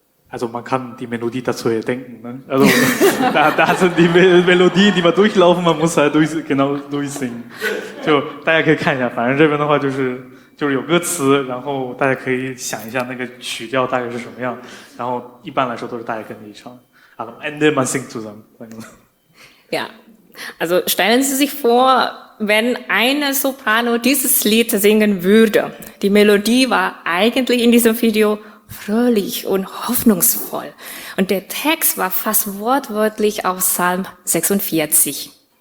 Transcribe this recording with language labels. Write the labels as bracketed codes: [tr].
[de] Also man kann die Melodie dazu erdenken. Ne? Also da sind die Melodien, die man durchlaufen, man muss halt durchsingen. [zh] 就大家可以看一下，反正这边的话就是有歌词，然后大家可以想一下那个曲调大概是什么样。然后一般来说都是大家跟着一唱。 [de] Am Ende man singt zusammen. Ja, also stellen Sie sich vor, wenn eine Soprano dieses Lied singen würde. Die Melodie war eigentlich in diesem Video fröhlich und hoffnungsvoll. Und der Text war fast wortwörtlich auf Psalm 46.